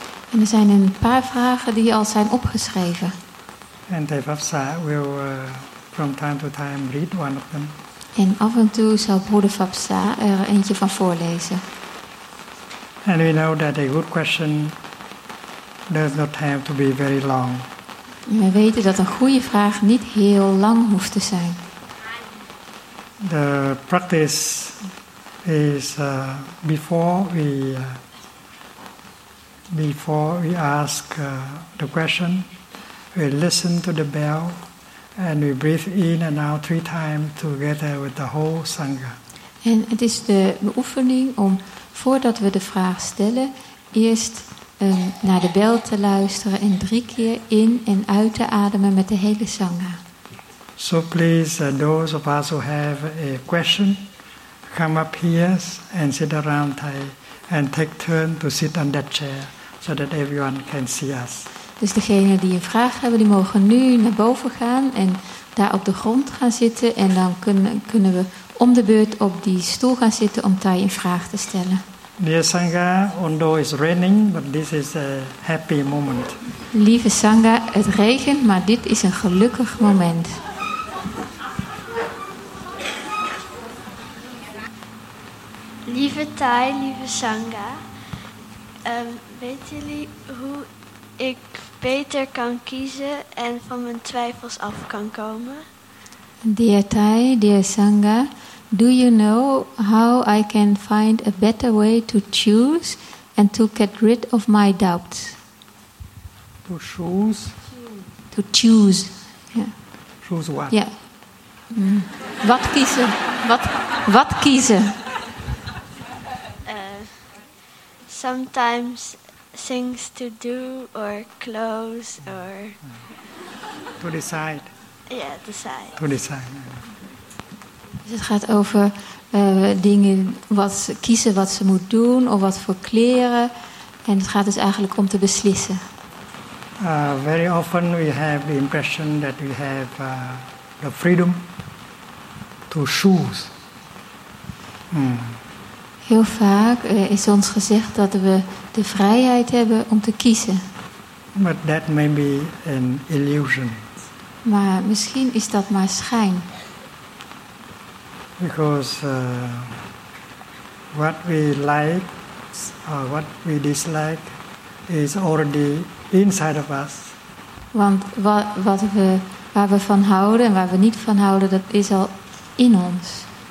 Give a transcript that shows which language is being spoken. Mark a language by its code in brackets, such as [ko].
[nl] En er zijn een paar vragen die al zijn opgeschreven. [en] And Devavsa will from time to time read one of them. [nl] En af en toe zal broeder Vapsa er eentje van voorlezen. [en] And we know that a good question does not have to be very long. [nl] We weten dat een goede vraag niet heel lang hoeft te zijn. [en] The practice is before we ask the question, we listen to the bell. And we breathe in and out three times together with the whole Sangha. [nl] En het is de beoefening om voordat we de vraag stellen, eerst naar de bel te luisteren en drie keer in en uit te ademen met de hele Sangha. [en] So please, those of us who have a question, come up here and sit around and take turn to sit on that chair so that everyone can see us. [nl] Dus degenen die een vraag hebben, die mogen nu naar boven gaan en daar op de grond gaan zitten. En dan kunnen we om de beurt op die stoel gaan zitten om Thay een vraag te stellen. [en] Dear Sangha, although it's raining, but this is a happy moment. [nl] Lieve Sangha, het regent, maar dit is een gelukkig moment. Lieve Thay, lieve Sangha, weet jullie hoe ik beter kan kiezen en van mijn twijfels af kan komen? [en] Dear Thay, dear Sangha, do you know how I can find a better way to choose and to get rid of my doubts? To choose? To choose. Yeah. Choose what? [nl] Yeah. Mm. Wat kiezen? Wat kiezen? [en] Sometimes things to do or close or to decide. Yeah, decide. To decide. [nl] Dus het gaat over dingen wat ze kiezen wat ze moet doen of wat voor kleren. En het gaat dus eigenlijk om te beslissen. [en] Very often we have the impression that we have the freedom to choose. Mm. [nl] Heel vaak is ons gezegd dat we de vrijheid hebben om te kiezen. [en] But that may be an illusion. [nl] Maar misschien is dat maar schijn. [en] Because what we like or what we dislike is already inside of us. [nl] Want waar we van houden en waar we niet van houden, dat is al in ons.